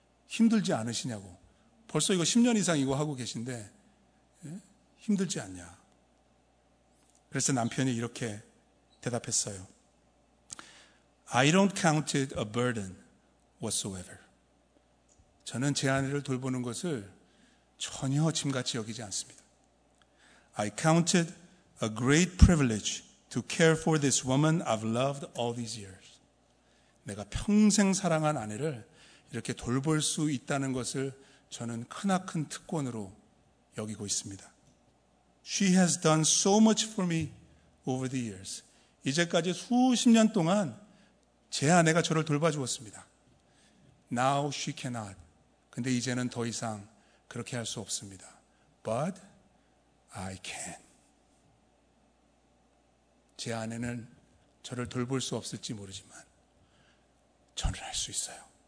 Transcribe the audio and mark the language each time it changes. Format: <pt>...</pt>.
<ko>힘들지 않으시냐고. 벌써 이거 10년 이상 이거 하고 계신데 힘들지 않냐. 그래서 남편이 이렇게 대답했어요.</ko> <en>I don't count it a burden whatsoever.</en> <ko>저는 제 아내를 돌보는 것을 전혀 짐같이 여기지 않습니다.</ko> <en>I count it a great privilege to care for this woman I've loved all these years.</en> <ko>내가 평생 사랑한 아내를 이렇게 돌볼 수 있다는 것을 저는 크나큰 특권으로 여기고 있습니다.</ko> <en>She has done so much for me over the years.</en> <ko>이제까지 수십 년 동안 제 아내가 저를 돌봐주었습니다.</ko> <en>Now she cannot.</en> <ko>근데 이제는 더 이상 그렇게 할 수 없습니다.</ko> <en>But I can.</en> <ko>제 아내는 저를 돌볼 수 없을지 모르지만 저는 할 수 있어요.</ko>